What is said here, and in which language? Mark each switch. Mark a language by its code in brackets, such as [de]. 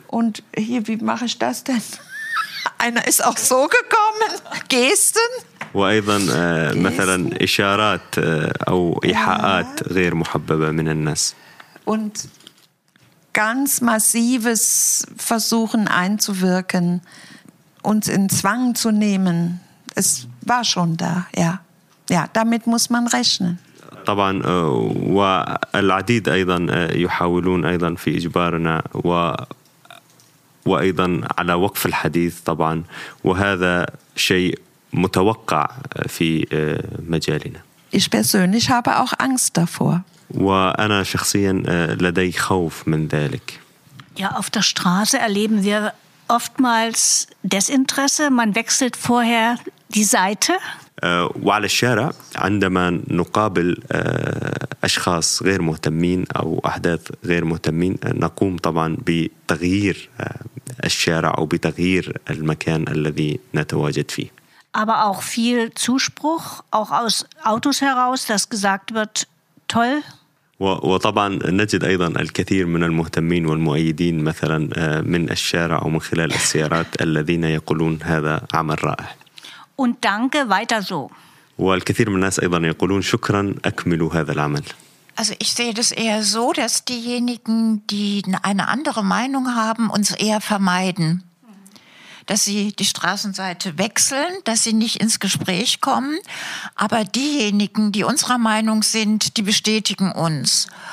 [de] Und hier, wie mache ich das denn? Einer ist auch so gekommen. Gesten. [ar] وأيضا مثلا إشارات أو إيحاءات غير محببة من الناس. [de] Und ganz massives Versuchen einzuwirken, uns in Zwang zu nehmen. Es war schon da, ja. Ja, damit muss man rechnen. [ar] طبعا والعديد أيضا يحاولون أيضا في إجبارنا وأيضا على وقف الحديث طبعا وهذا شيء متوقع في مجالنا. [de] Ich persönlich habe auch Angst davor. [ar] وأنا شخصيا لدي خوف من ذلك. [de] Ja, auf der Straße erleben wir oftmals Desinteresse. Man wechselt vorher die Seite. [ar] وعلى الشارع عندما نقابل أشخاص غير مهتمين أو أحداث غير مهتمين نقوم طبعا بتغيير الشارع أو بتغيير المكان الذي نتواجد فيه. [de] Aber auch viel Zuspruch, auch aus Autos heraus, dass gesagt wird, toll. [ar] وطبعا نجد أيضا الكثير من المهتمين والمؤيدين مثلا من الشارع أو من خلال السيارات الذين يقولون هذا عمل رائع. [de] Und danke, weiter so. [ar] والكثير من الناس أيضا يقولون شكرا أكملوا هذا العمل. [de] Also ich sehe das eher so, dass diejenigen, die eine andere Meinung haben, uns eher vermeiden. Dass sie die Straßenseite wechseln, dass sie nicht ins Gespräch kommen. Aber diejenigen, die unserer Meinung sind, die bestätigen uns.